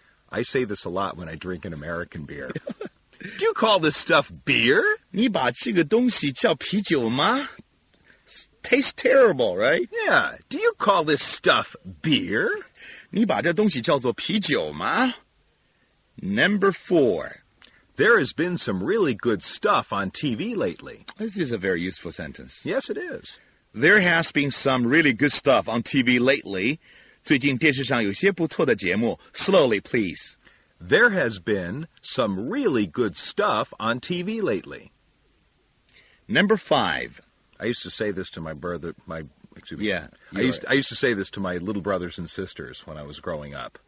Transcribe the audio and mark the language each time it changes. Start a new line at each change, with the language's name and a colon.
English: I say this a lot when I drink an American beer. Do you call this stuff beer?
Chinese: 你把这个东西叫啤酒吗?
English: Tastes terrible, right? Yeah. Do you call this stuff beer?
Chinese: 你把这东西叫做啤酒吗?
English: Number four. There has been some really good stuff on TV lately. This is a very useful sentence. Yes, it is. There has been some really good stuff on TV lately.
Chinese: 最近电视上有些不错的节目。
English: Slowly, please. There has been some really good stuff on TV lately. Number five. I used to say this to my brother, I used to say this to my little brothers and sisters when I was growing up.